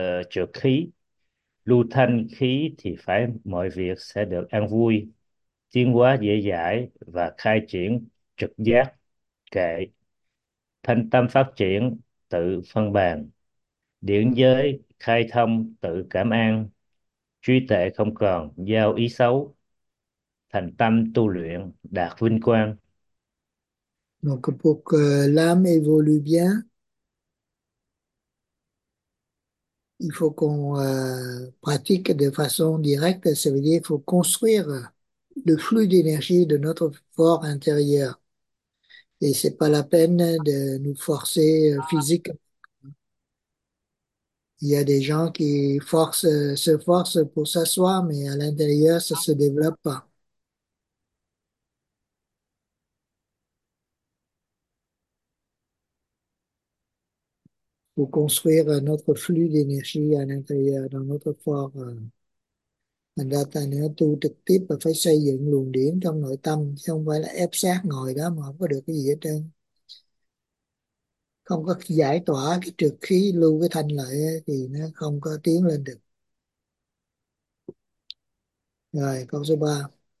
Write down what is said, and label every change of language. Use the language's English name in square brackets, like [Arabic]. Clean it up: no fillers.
[Vietnamese] trược khí, lưu thanh khí thì phải mọi việc sẽ được an vui, tiến hóa dễ dãi và khai triển trực giác, kệ thanh tâm phát triển tự phân bàn, điển giới khai thông tự cảm an, trí tuệ không còn giao ý xấu, thành tâm tu luyện đạt vinh quang. [French] Donc, pour que l'âme évolue bien, il faut qu'on pratique de façon directe. Ça veut dire qu'il faut construire le flux d'énergie de notre corps intérieur. Et c'est pas la peine de nous forcer physiquement. Il y a des gens qui se forcent pour s'asseoir, mais à l'intérieur, ça se développe pas. Pour construire notre flux d'énergie à l'intérieur, dans notre corps. [Vietnamese] Thành ra ta nữa tu trực tiếp là phải xây dựng luồng điển trong nội tâm, chứ không phải là ép sát ngồi đó mà không có được cái gì hết trơn. Không có giải tỏa cái trược khí, lưu cái thanh lại thì nó không có tiến lên được. Rồi, câu số 3.